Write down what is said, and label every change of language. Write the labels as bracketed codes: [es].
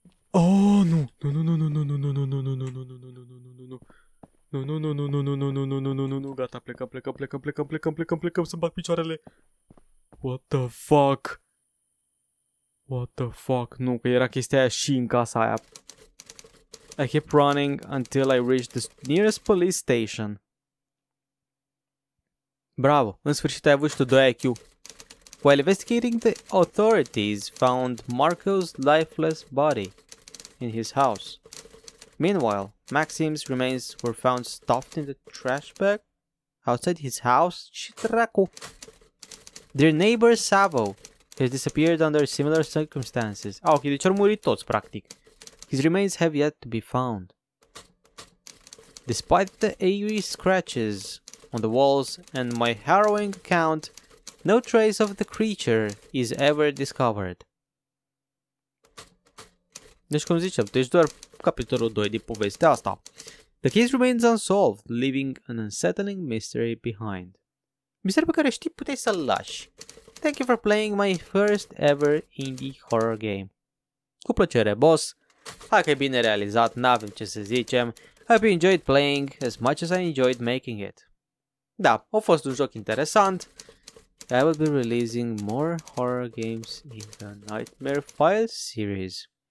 [ro] Oh, nu, nu, nu, nu, nu, nu, nu, nu, nu, nu, nu, nu, nu, nu, nu, nu, nu, nu, nu, nu, nu, nu, nu, nu, nu, nu, nu, nu, nu, nu, nu, nu, nu, gata, plecăm, plecăm, plecăm, plecăm, plecăm, plecăm, plecăm, să-mi bag picioarele. [en] What the fuck? What the fuck? [ro] Nu, că era chestia aia și în casa aia. [en] I kept running until I reached the nearest police station. [ro] Bravo, în sfârșit ai avut și tu 2 IQ. [en] While investigating, the authorities found Marco's lifeless body in his house. Meanwhile, Maxim's remains were found stuffed in the trash bag outside his house. Chitraku. Their neighbor Savo has disappeared under similar circumstances. [ro] Ah, ok, deci au murit toți, practic. [en] His remains have yet to be found. Despite the eerie scratches on the walls and my harrowing account, no trace of the creature is ever discovered. [ro] Deci cum ziceam, deci doar capitolul 2 din povestea asta. [en] The case remains unsolved, leaving an unsettling mystery behind. [ro] Mister pe care știi puteai să-l lași. [en] Thank you for playing my first ever indie horror game. [ro] Cu plăcere, boss. Hai că e bine realizat, n-avem ce să zicem. [en] Hope you enjoyed playing as much as I enjoyed making it. [ro] Da, a fost un joc interesant. [en] I will be releasing more horror games in the Nightmare Files series.